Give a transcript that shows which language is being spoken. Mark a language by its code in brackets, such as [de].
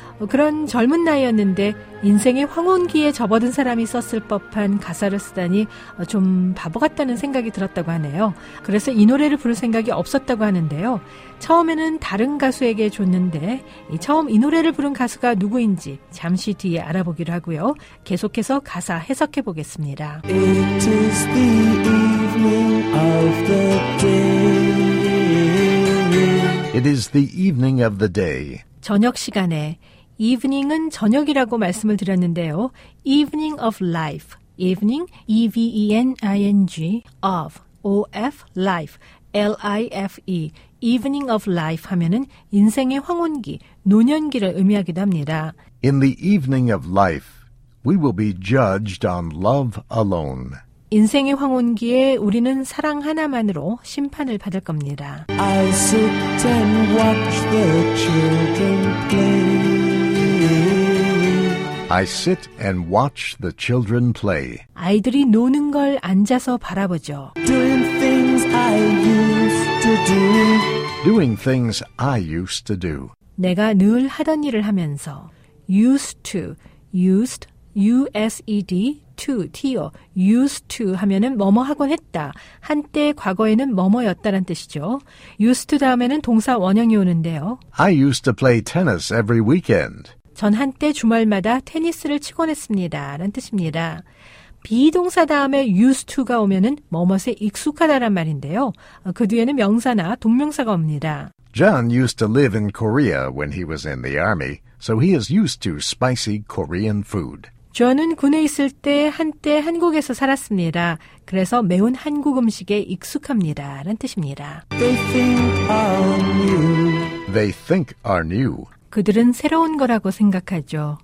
[ko] 그런 젊은 나이였는데 인생의 황혼기에 접어든 사람이 썼을 법한 가사를 쓰다니 좀 바보 같다는 생각이 들었다고 하네요. 그래서 이 노래를 부를 생각이 없었다고 하는데요. 처음에는 다른 가수에게 줬는데 처음 이 노래를 부른 가수가 누구인지 잠시 뒤에 알아보기로 하고요. 계속해서 가사 해석해 보겠습니다. [en] It is the evening of the day. It is the evening of the day. [ko] 저녁 시간에 evening은 저녁이라고 말씀을 드렸는데요. [en] evening of life, [ko] evening, E-V-E-N-I-N-G, of, O-F, life, L-I-F-E, evening of life 하면은 인생의 황혼기, 노년기를 의미하기도 합니다. [en] In the evening of life, we will be judged on love alone. [ko] 인생의 황혼기에 우리는 사랑 하나만으로 심판을 받을 겁니다. [en] I sit and watch the children play. I sit and watch the children play. [ko] 아이들이 노는 걸 앉아서 바라보죠. [en] Doing things I used to do. Doing things I used to do. [ko] 내가 늘 하던 일을 하면서 used to, used, U-S-E-D, to, T-O, used to 하면은 뭐뭐 하곤 했다. 한때 과거에는 뭐뭐였다란 뜻이죠. used to 다음에는 동사 원형이 오는데요. [en] I used to play tennis every weekend. [ko] 전 한때 주말마다 테니스를 치곤 했습니다. 라는 뜻입니다. be 동사 다음에 used to가 오면은 뭐뭇에 익숙하다란 말인데요. 그 뒤에는 명사나 동명사가 옵니다. [en] John used to live in Korea when he was in the army, so he is used to spicy Korean food. [ko] 저는 군에 있을 때 한때 한국에서 살았습니다. 그래서 매운 한국 음식에 익숙합니다. 라는 뜻입니다. [en] They think are new. They think are new. [ko] 그들은 새로운 거라고 생각하죠.